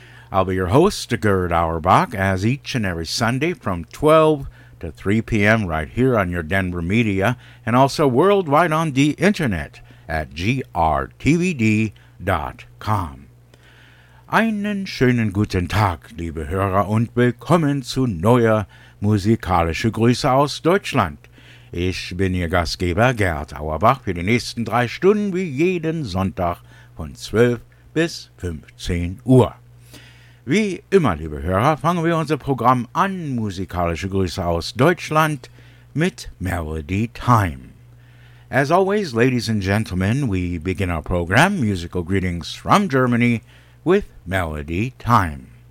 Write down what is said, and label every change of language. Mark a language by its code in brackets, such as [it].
[en] I'll be your host, Gerd Auerbach, as each and every Sunday from 12 to 3 p.m. right here on your Denver Media, and also worldwide on the internet at grtvd.com. [de] Einen schönen guten Tag, liebe Hörer, und willkommen zu neuer musikalische Grüße aus Deutschland. Ich bin Ihr Gastgeber Gerd Auerbach für die nächsten drei Stunden, wie jeden Sonntag von 12 bis 15 Uhr. Wie immer, liebe Hörer, fangen wir unser Programm an, musikalische Grüße aus Deutschland, mit Melody Time. [en] As always, ladies and gentlemen, we begin our program, Musical Greetings from Germany, with Melody Time.